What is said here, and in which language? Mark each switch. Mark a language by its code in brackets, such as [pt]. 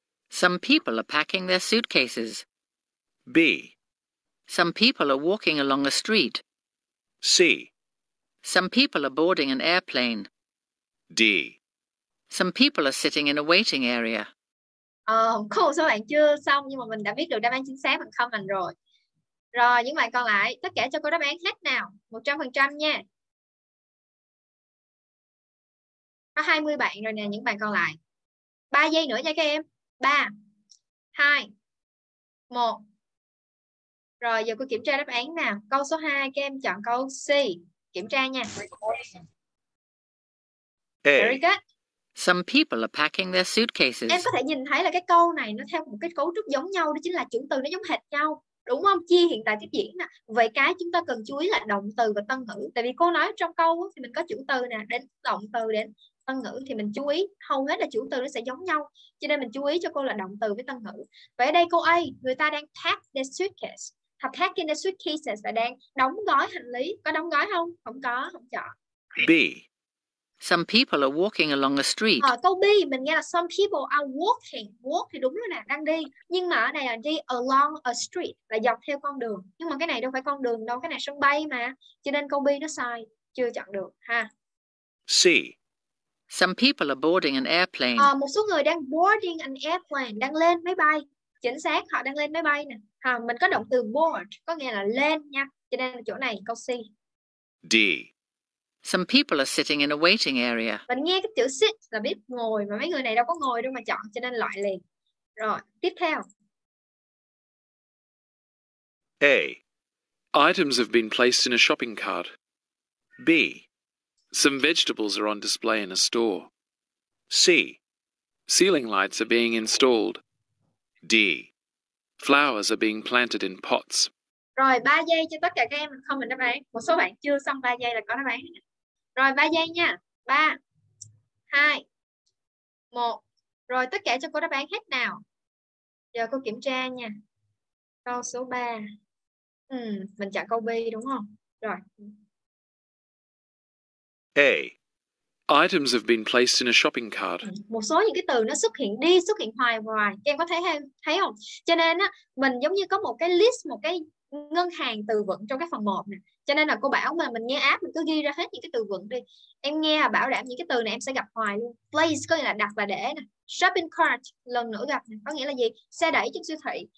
[en] Some people are packing their suitcases. B. Some people are walking along a street. C. Some people are boarding an airplane. D. Some people are sitting in a waiting area. [vi] Có một số bạn chưa xong nhưng mà mình đã biết được đáp án chính xác bằng không anh rồi. Rồi, những bạn còn lại, tất cả cho cô đáp án hết nào. 100% nha. Có 20 bạn rồi nè, những bạn còn lại. 3 giây nữa nha các em. 3, 2, 1. Rồi, giờ cô kiểm tra đáp án nào. Câu số 2, các em chọn câu C. Kiểm tra nha. [en] A. Very good. Some people are packing their suitcases. [vi] Em có thể nhìn thấy là cái câu này nó theo một cái cấu trúc giống nhau, đó chính là chủ từ nó giống hệt nhau. Đúng không? Chia hiện tại tiếp diễn nè. Vậy cái chúng ta cần chú ý là động từ và tân ngữ. Tại vì cô nói trong câu thì mình có chủ từ nè, đến động từ, đến tân ngữ thì mình chú ý hầu hết là chủ từ nó sẽ giống nhau. Cho nên mình chú ý cho cô là động từ với tân ngữ. Vậy ở đây cô A, người ta đang [en] pack the suitcase. Have packing the suitcases [vi] là đang đóng gói hành lý. Có đóng gói không? Không có, không chọn. [en] B. Some people are walking along a street. [vi] Câu B mình nghe là [en] some people are walking. [vi] Walk thì đúng rồi nè, đang đi. Nhưng mà ở đây là đi [en] along a street, [vi] là dọc theo con đường. Nhưng mà cái này đâu phải con đường đâu, cái này sân bay mà. Cho nên câu B nó sai, chưa chọn được ha. [en] C. Some people are boarding an airplane. [vi] Một số người đang [en] boarding an airplane, [vi] đang lên máy bay. Chính xác, họ đang lên máy bay nè. Mình có động từ board, có nghĩa là lên nha. Cho nên chỗ này câu C. [en] D. Some people are sitting in a waiting area. [vi] Mình nghe cái chữ sit là biết ngồi, mà mấy người này đâu có ngồi đâu mà chọn, cho nên loại liền. Rồi, tiếp theo. [en] A. Items have been placed in a shopping cart. B. Some vegetables are on display in a store. C. Ceiling lights are being installed. D. Flowers are being planted in pots. [vi] Rồi, 3 giây cho tất cả các em, không mình đáp án. Một số bạn chưa xong 3 giây là có đáp án. Rồi, 3 giây nha. 3, 2, 1. Rồi, tất cả cho cô đáp án hết nào. Giờ cô kiểm tra nha. Câu số 3. Mình chọn câu B đúng không? Rồi. [en] A. Items have been placed in a shopping cart. [vi] Một số những cái từ nó xuất hiện đi, xuất hiện hoài hoài. Các em có thấy không? Cho nên á, mình giống như có một cái list, một cái ngân hàng từ vựng trong cái phần 1 nè. Cho nên là cô bảo mà mình nghe app, mình cứ ghi ra hết những cái từ vựng đi. Em nghe là bảo đảm những cái từ này em sẽ gặp hoài luôn. Place có nghĩa là đặt và để nè. Shopping cart lần nữa gặp nè. Có nghĩa là gì? Xe đẩy trong siêu thị.